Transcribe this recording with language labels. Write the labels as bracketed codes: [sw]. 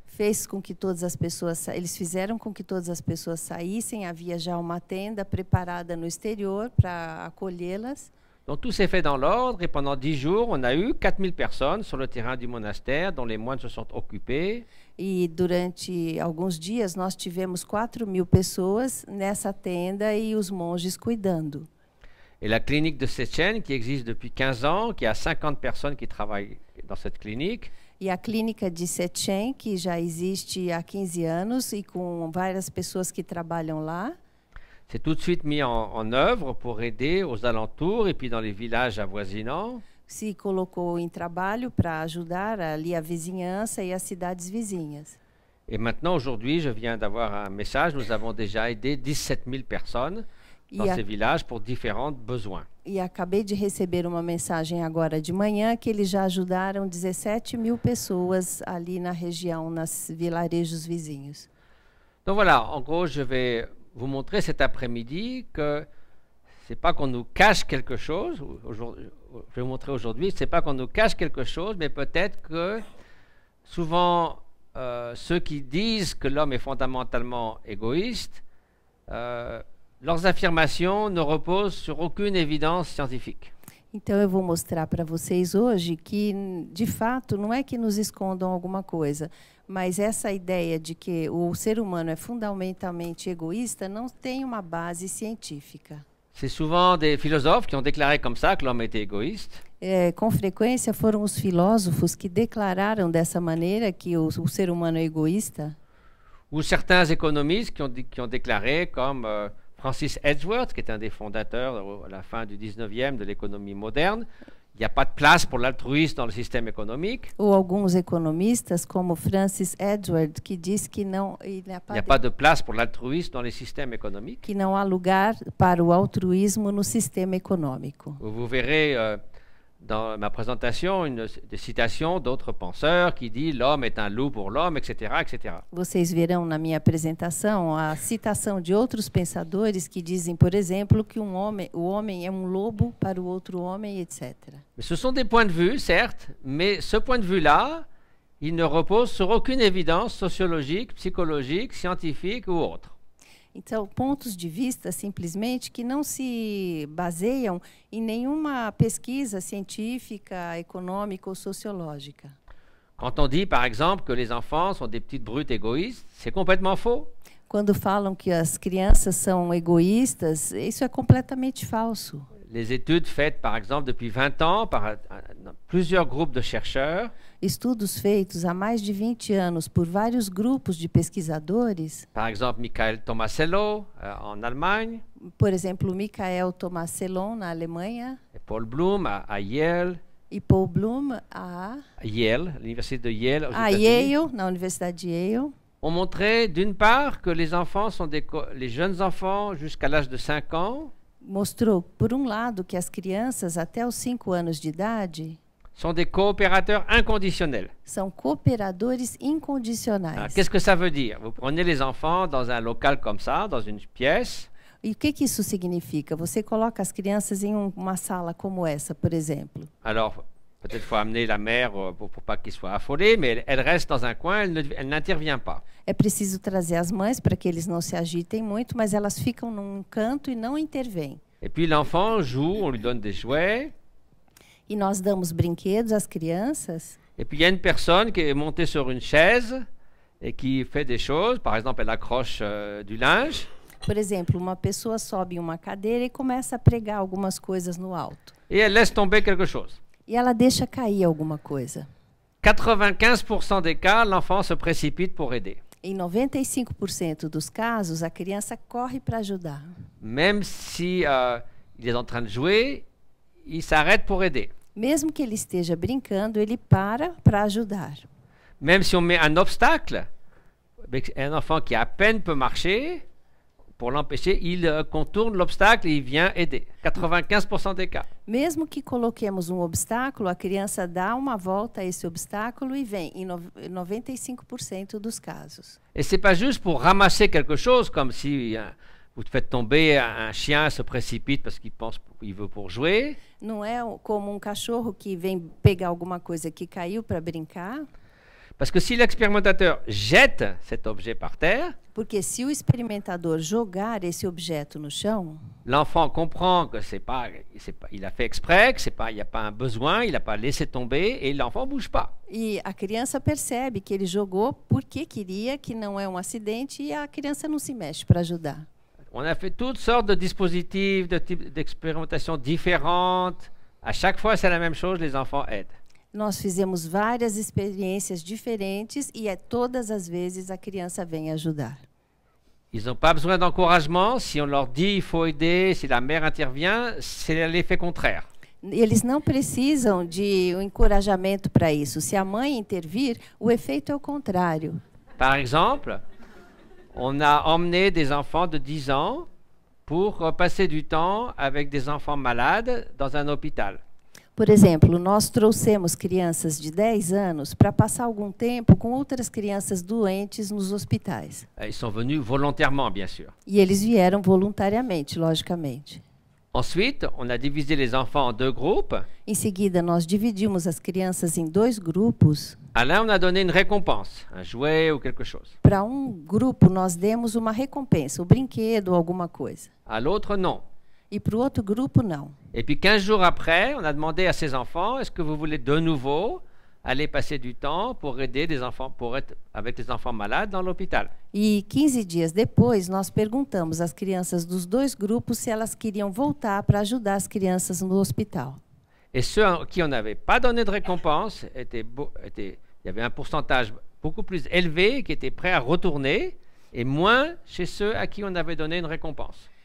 [pt] Fez com que todas as pessoas eles fizeram com que todas as pessoas saíssem. Havia já uma tenda preparada no exterior para acolhê-las. [fr] Donc tout s'est fait dans l'ordre et pendant 10 jours, on a eu 4000 personnes sur le terrain du monastère dont les moines se sont occupés. [pt] E durante alguns dias nós tivemos 4 mil pessoas nessa tenda e os monges cuidando. E a clínica de Sechen, que existe [fr] depuis [pt] 15 anos, que há 50 pessoas que trabalham [fr] dans cette clinique. [pt] E a clínica de Sechen, que já existe há 15 anos e com várias pessoas que trabalham lá. [fr] C'est tout de suite mis en œuvre pour aider aux alentours et puis dans les villages avoisinants. [pt] Se colocou em trabalho para ajudar ali a vizinhança e as cidades vizinhas. [fr] E maintenant aujourd'hui, je viens d'avoir un message, nous avons déjà aidé 17000 personnes dans ces villages pour différents besoins. [pt] E acabei de receber uma mensagem agora de manhã que eles já ajudaram 17000 pessoas ali na região, nas vilarejos vizinhos. [fr] Então voilà, en gros, je vais vous montrer cet après-midi que c'est pas qu'on nous cache quelque chose aujourd'hui. Je vais vous montrer aujourd'hui, ce n'est pas qu'on nous cache quelque chose, mais peut-être que souvent ceux qui disent que l'homme est fondamentalement égoïste, leurs affirmations ne reposent sur aucune évidence scientifique. [pt] Então eu vou mostrar para vocês hoje que, de fato, não é que nos escondam alguma coisa, mas essa ideia de que o ser humano é fundamentalmente egoísta não tem uma base científica. [fr] C'est souvent des philosophes qui ont déclaré comme ça que l'homme était égoïste. [pt] Com frequência foram os filósofos que declararam dessa maneira que o ser humano é egoísta. [fr] Ou certains économistes qui ont déclaré comme Francis Edgeworth, qui est un des fondateurs à la fin du 19e de l'économie moderne, il n'y a pas de place pour l'altruisme dans le système économique. [pt] Ou alguns economistas como Francis Edgeworth que diz que não [fr] il n'y a pas de place pour l'altruisme dans les systèmes économiques. [pt] Que não há lugar para o altruísmo no sistema econômico. [fr] Vous verrez dans ma présentation des citations d'autres penseurs qui disent l'homme est un loup pour l'homme, etc., etc. [pt] Vocês verão na minha apresentação a citação de outros pensadores que dizem, por exemplo, que o homem é um lobo para o outro homem, etc. [fr] Mais ce sont des points de vue, certes, mais ce point de vue-là, il ne repose sur aucune évidence sociologique, psychologique, scientifique ou autre. [pt] Então, pontos de vista simplesmente que não se baseiam em nenhuma pesquisa científica, econômica ou sociológica. [fr] Quand on dit, par exemple, que les enfants sont des petites brutes égoïstes, c'est complètement faux. [pt] Quando falam que as crianças são egoístas, isso é completamente falso. [fr] Les études faites, par exemple, depuis 20 ans par plusieurs groupes de chercheurs. [pt] Estudos feitos há mais de 20 anos por vários grupos de pesquisadores. [fr] Par exemple, Michael Tomasello, en Allemagne. [pt] Por exemplo, Michael Tomasello, na Alemanha. [fr] Et Paul Bloom, à Yale. [pt] E Paul Bloom, à [fr] Yale, l'université de Yale. [pt] À Yale, na Universidade de Yale. [fr] Ont montré, d'une part, que les enfants sont les jeunes enfants jusqu'à l'âge de 5 ans. [pt] Mostrou, por um lado, que as crianças até os 5 anos de idade [fr] sont des coopérateurs inconditionnels. [pt] São cooperadores incondicionais. [fr] Alors, qu'est-ce que ça veut dire? Vous prenez les enfants dans un local comme ça, dans une pièce. [pt] E o que que isso significa? Você coloca as crianças em uma sala como essa, por exemplo. [fr] Alors, peut-être faut amener la mère pour pas qu'ils soient affolés, mais elle reste dans un coin, elle n'intervient pas. [pt] É preciso trazer as mães para que eles não se agitem muito, mas elas ficam num canto e não intervêm. [fr] Et puis l'enfant joue, on lui donne des jouets. [pt] E nós damos brinquedos às crianças. [fr] Et puis il y a une personne qui est montée sur une chaise et qui fait des choses, par exemple, elle accroche du linge. [pt] Por exemplo, uma pessoa sobe em uma cadeira e começa a pregar algumas coisas no alto. [fr] Et elle laisse tomber quelque chose. [pt] E ela deixa cair alguma coisa. [fr] 95% des cas, l'enfant se précipite pour aider. [pt] Em 95% dos casos, a criança corre para ajudar. [fr] Même si il est en train de jouer, il s'arrête pour aider. [pt] Mesmo que ele esteja brincando, ele para para ajudar. [fr] Même si on met un obstacle, un enfant qui à peine peut marcher, pour l'empêcher, il contourne l'obstacle et il vient aider. 95% des cas. [pt] Mesmo que coloquemos obstáculo, a criança dá uma volta a esse obstáculo e vem em 95% dos casos. [fr] Et c'est pas juste pour ramasser quelque chose comme si vous faites tomber un chien se précipite parce qu'il pense il veut pour jouer. [pt] Não é como cachorro que vem pegar alguma coisa que caiu para brincar. [fr] Parce que si l'expérimentateur jette cet objet par terre, [pt] porque se o experimentador jogar esse objeto no chão, [fr] l'enfant comprend que c'est pas il a fait exprès, que c'est pas il y a pas un besoin, il a pas laissé tomber et l'enfant bouge pas. [pt] E a criança percebe que ele jogou porque queria, que não é acidente, e a criança não se mexe para ajudar. [fr] On a fait toutes sortes de dispositifs de type d'expérimentation différentes. À chaque fois c'est la même chose, les enfants aident. [pt] Nós fizemos várias experiências diferentes e é todas as vezes a criança vem ajudar. [fr] Ils ont pas besoin d'encouragement, si on leur dit il faut aider, si la mère intervient, c'est l'effet contraire. [pt] Eles não precisam de encorajamento para isso. Se a mãe intervir, o efeito é o contrário. [fr] Par exemple, on a emmené des enfants de 10 ans pour passer du temps avec des enfants malades dans un hôpital. [pt] Por exemplo, nós trouxemos crianças de 10 anos para passar algum tempo com outras crianças doentes nos hospitais. [fr] Ils sont venus volontairement, bien sûr. [pt] E eles vieram voluntariamente, logicamente. [fr] Ensuite, on a divisé les enfants en deux groupes. [pt] Em seguida, nós dividimos as crianças em dois grupos. [fr] À l'un, on a donné une récompense, un jouet ou quelque chose. [pt] Para grupo, nós demos uma recompensa, brinquedo ou alguma coisa. [fr] À l'autre, non. [pt] E para o outro grupo, não. [fr] Et puis 15 jours après, on a demandé à ces enfants, est-ce que vous voulez de nouveau aller passer du temps pour aider des enfants, pour être avec des enfants malades dans l'hôpital? [pt] E 15 dias depois, nós perguntamos às crianças dos dois grupos se elas queriam voltar para ajudar as crianças no hospital. [fr] Et ceux à qui on n'avait pas donné de récompense, étaient, il y avait un pourcentage beaucoup plus élevé qui était prêt à retourner, et moins chez ceux à qui on avait donné une récompense.